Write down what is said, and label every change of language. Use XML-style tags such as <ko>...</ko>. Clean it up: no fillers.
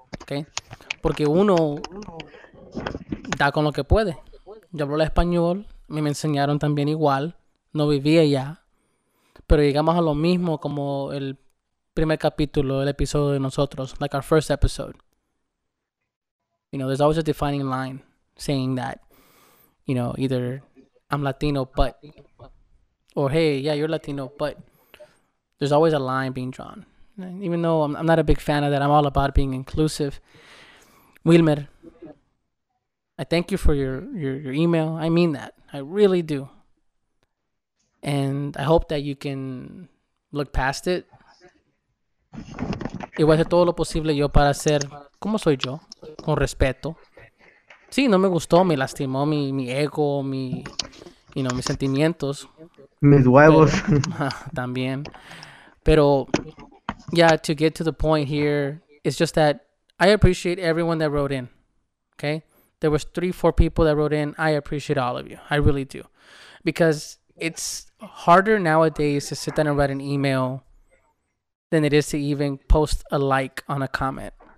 <es>okay, porque uno da con lo que puede. Yo hablo el español, me enseñaron también igual, no vivía allá, pero llegamos a lo mismo como el primer capítulo, el episodio de nosotros,</es> <en>like our first episode. You know, there's always a defining line saying that, you know, either I'm Latino, but, or hey, yeah, you're Latino, but there's always a line being drawn. And even though I'm not a big fan of that, I'm all about being inclusive. Wilmer, I thank you for your email. I mean that. I really do. And I hope that you can look past it.</en> <es>Y voy a hacer todo lo posible yo para ser como soy yo. Con respeto. Sí, no me gustó, me lastimó mi ego, mis sentimientos, mis pero huevos. también. Pero</es> <en>yeah, to get to the point here, it's just that I appreciate everyone that wrote in. Okay? There was three, four people that wrote in. I appreciate all of you. I really do. Because it's harder nowadays to sit down and write an email than it is to even post a like on a comment.</en>